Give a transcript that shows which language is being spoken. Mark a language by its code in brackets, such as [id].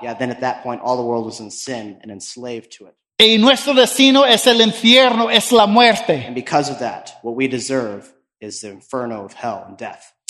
[en] Yeah, then at that point all the world was in sin and enslaved to it. [es] Y nuestro destino es el infierno, es la muerte. [en] And because of that, what we deserve is the inferno of hell and death.